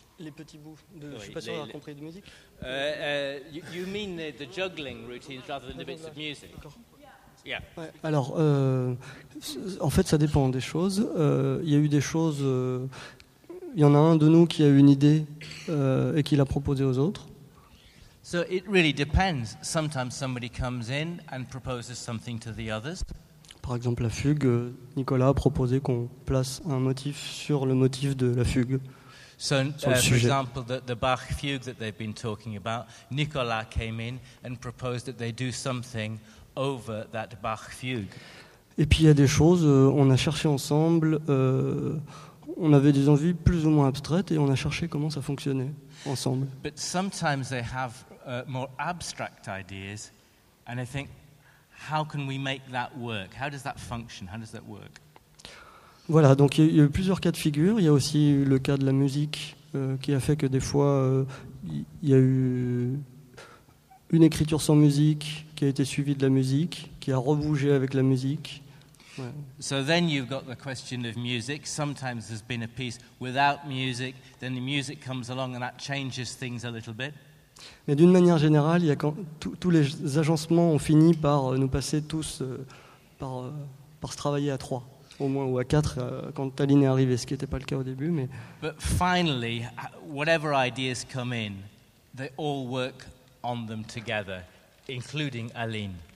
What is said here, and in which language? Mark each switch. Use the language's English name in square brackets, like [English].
[French] Les petits bouts de, oui, je ne suis pas sûr d'avoir compris de musique. [English] You mean the juggling routines rather than the bits of music. [French] D'accord. Yeah. Ouais. Alors, en fait, ça dépend des choses. Il y a eu des choses... Il y en a un de nous qui a eu une idée et qui l'a proposée aux autres. [English] So it really depends. Sometimes somebody comes in and proposes something to the others. [French] Par exemple, la fugue, Nicolas a proposé qu'on place un motif sur le motif de la fugue. [English] So, for example, the Bach fugue that they've been talking about, Nicolas came in and proposed that they do something over that Bach fugue. [French] Et puis il y a des choses, on a cherché ensemble, on avait des envies plus ou moins abstraites et on a cherché comment ça fonctionnait ensemble. [English] But sometimes they have more abstract ideas and I think how can we make that work? How does that function? How does that work? [French] Voilà, donc il y a eu plusieurs cas de figure, il y a aussi eu le cas de la musique qui a fait que des fois il y a eu une écriture sans musique qui a été suivie de la musique qui a rebougé avec la musique. Ouais. [English] So then you've got the question of music. Sometimes there's been a piece without music, then the music comes along and that changes things a little bit. [French] Mais d'une manière générale, il y a quand tous les agencements ont fini par nous passer tous par se travailler à trois, au moins, ou à quatre quand Aline est arrivée, ce qui n'était pas le cas au début, mais. [English] But finally, whatever ideas come in, they all work on them together, including Aline.